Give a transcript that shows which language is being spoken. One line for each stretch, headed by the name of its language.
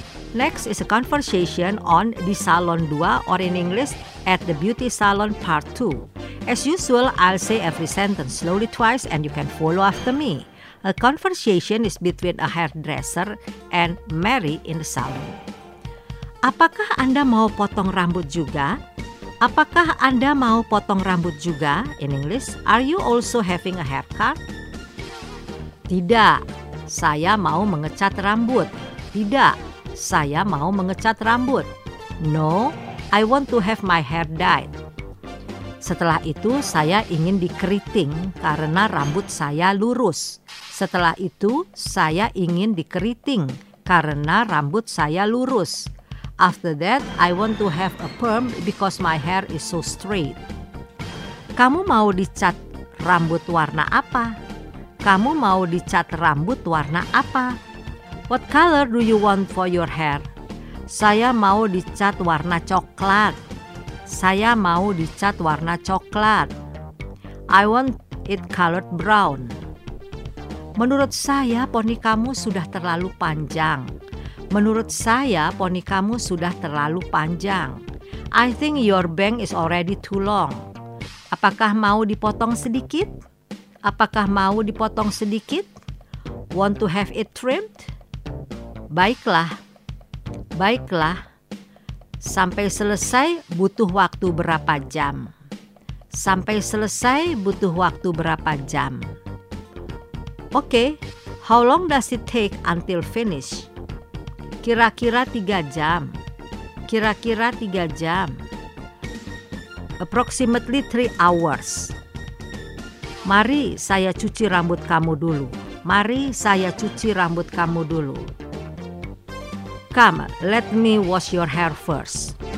English: Next is a conversation on Di Salon 2, or in English, At the Beauty Salon Part 2. As usual, I'll say every sentence slowly twice and you can follow after me. A conversation is between a hairdresser and Mary in the salon.
Indonesian: Apakah Anda mau potong rambut juga? Apakah Anda mau potong rambut juga?
English: In English, are you also having a haircut?
Indonesian: Tidak, saya mau mengecat rambut. Tidak. Saya mau mengecat rambut.
English: No, I want to have my hair dyed.
Indonesian: Setelah itu, saya ingin dikeriting karena rambut saya lurus. Setelah itu, saya ingin dikeriting karena rambut saya lurus.
English: After that, I want to have a perm because my hair is so straight.
Indonesian: Kamu mau dicat rambut warna apa? Kamu mau dicat rambut warna apa?
English: What color do you want for your hair?
Indonesian: Saya mau dicat warna coklat. Saya mau dicat warna coklat.
English: I want it colored brown.
Indonesian: Menurut saya, poni kamu sudah terlalu panjang. Menurut saya, poni kamu sudah terlalu panjang.
English: I think your bang is already too long.
Indonesian: Apakah mau dipotong sedikit? Apakah mau dipotong sedikit?
English: Want to have it trimmed?
Indonesian: Baiklah. Baiklah. Sampai selesai butuh waktu berapa jam? Sampai selesai butuh waktu berapa jam?
English: Oke, okay, how long does it take until finish?
Indonesian: Kira-kira 3 jam. Kira-kira 3 jam.
English: Approximately 3 hours.
Indonesian: Mari saya cuci rambut kamu dulu. Mari saya cuci rambut kamu dulu.
English: Come, let me wash your hair first.